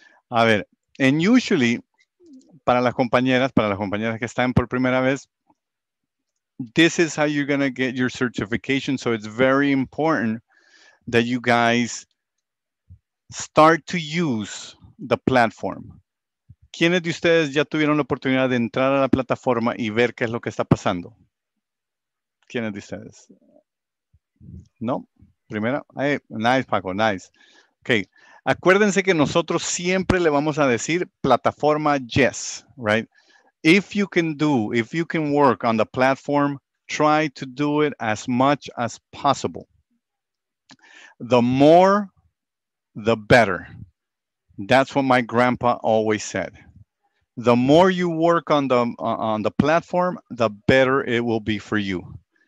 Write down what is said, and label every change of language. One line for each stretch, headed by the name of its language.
Spanish: A ver,
English: and usually,
Spanish: para las compañeras que están por primera vez,
English: this is how you're going to get your certification. So it's very important that you guys start to use the platform.
Spanish: ¿Quiénes de ustedes ya tuvieron la oportunidad de entrar a la plataforma y ver qué es lo que está pasando? ¿Quiénes de ustedes? ¿No? ¿Primera?
English: Hey, nice, Paco, nice. Okay.
Spanish: Acuérdense que nosotros siempre le vamos a decir plataforma
English: yes, right? If you can work on the platform, try to do it as much as possible. The more, the better. That's what my grandpa always said. The more you work on the platform, the better it will be for you.